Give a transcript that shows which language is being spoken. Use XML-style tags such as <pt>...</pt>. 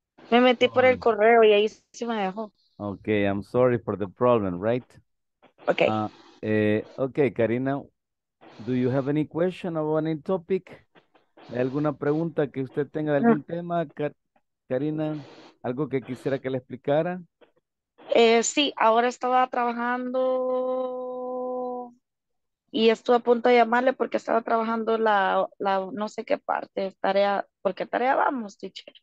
<es>Me metí por el correo y ahí se me dejó.</es> <en>Okay, I'm sorry for the problem, right? Okay. Okay, Karina, do you have any question about any topic?</en> <es>¿Hay alguna pregunta que usted tenga de algún tema, Karina? ¿Algo que quisiera que le explicara? Sí, ahora estaba trabajando y estuve a punto de llamarle porque estaba trabajando la no sé qué parte, tarea, porque tarea vamos, teacher.</es>